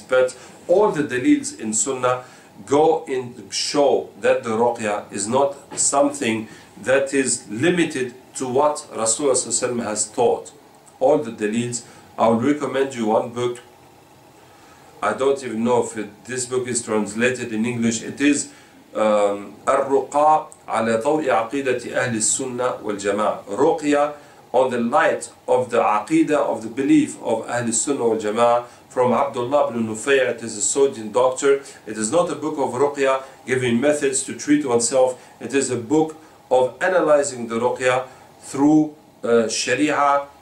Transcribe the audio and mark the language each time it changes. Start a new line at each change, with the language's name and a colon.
English: But all the dalils in Sunnah go and show that the ruqya is not something that is limited to what Rasulullah has taught. All the dalils. I will recommend you one book. I don't even know if this book is translated in English. It is
Arabic: الرقى على ضوء عقيدة أهل السنة والجماعة.
English: رقية on the light of the عقيدة of the belief of
Arabic: أهل السنة والجماعة,
English: from Abdullah ibn Nufay. It is a Saudi doctor. It is not a book of رقية giving methods to treat oneself. It is a book of analyzing the رقية through Sharia